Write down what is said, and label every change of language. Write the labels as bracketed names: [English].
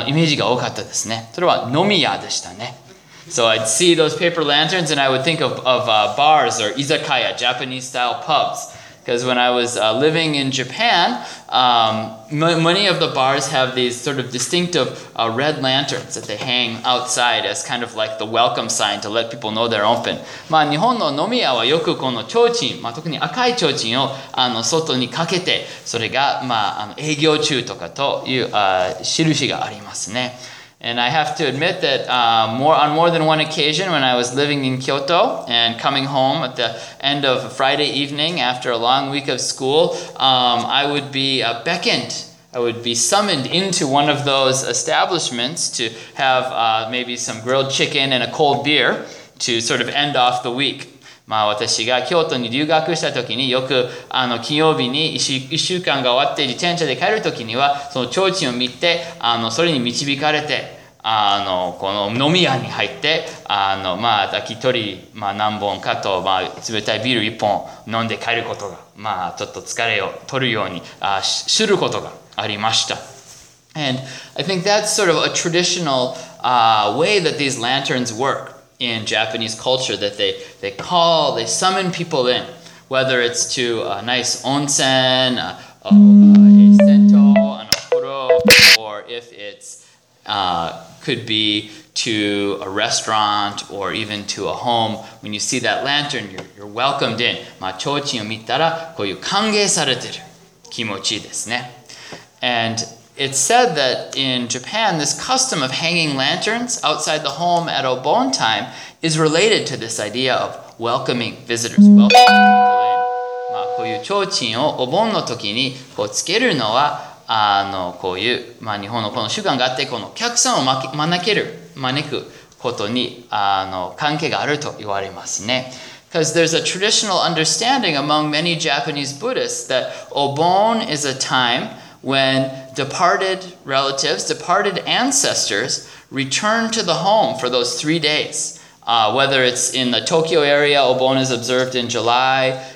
[Japanese] 私は開教師になる前にその提灯を見ると、もう一つのイメージが多かったですね。それは飲み屋でしたね。 [English] So I'd see those paper lanterns and I would think of bars or izakaya, Japanese style pubs. Because when I was living in Japan, many of the bars have these sort of distinctive red lanterns that they hang outside as kind of like the welcome sign to let people know they're open. [Japanese] まあ日本の飲み屋はよくこの提灯、特に赤い提灯を外にかけて、それが営業中とかという印がありますね。 [English] And I have to admit that on more than one occasion when I was living in Kyoto and coming home at the end of a Friday evening after a long week of school, I would be beckoned I would be summoned into one of those establishments to have maybe some grilled chicken and a cold beer to sort of end off the week. [Japanese] まあ私が京都に留学した時によく金曜日に1週間が終わって自転車で帰る時にはその提灯を見てそれに導かれてこの飲み屋に入ってまあ焼き鳥、まあ、何本かと、まあ、冷たいビール1本飲んで帰ることがまあちょっと疲れを取るように知ることがありました。 [English] And I think that's sort of a traditional way that these lanterns work in Japanese culture, that they call, they summon people in, whether it's to a nice onsen, a sento, an okoro, or if it's could be to a restaurant or even to a home. When you see that lantern, you're welcomed in. [Japanese] まあ、提灯を見たらこういう歓迎されてる気持ちですね。 [English] And it's said that in Japan, this custom of hanging lanterns outside the home at Obon time is related to this idea of welcoming visitors. Welcoming people in. [Japanese] まあ、こういう提灯をお盆の時にこうつけるのは、こういう、まあ、日本のこの習慣があって、この客さんを招くことに、関係があると言われますね。 [English] Because there's a traditional understanding among many Japanese Buddhists that Obon is a time when departed relatives, departed ancestors return to the home for those 3 days. Whether it's in the Tokyo area, Obon is observed in July.